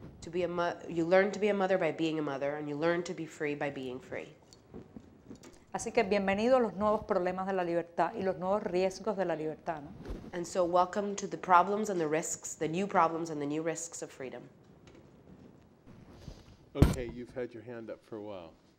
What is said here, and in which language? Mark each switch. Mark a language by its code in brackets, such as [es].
[en] To be a you learn to be a mother by being a mother and you learn to be free by being free. [es] Así que bienvenido a los nuevos problemas de la libertad y los nuevos riesgos de la libertad, ¿no? [en] And so welcome to the problems and the risks, the new problems and the new risks of freedom. Okay, you've had your hand up for a while.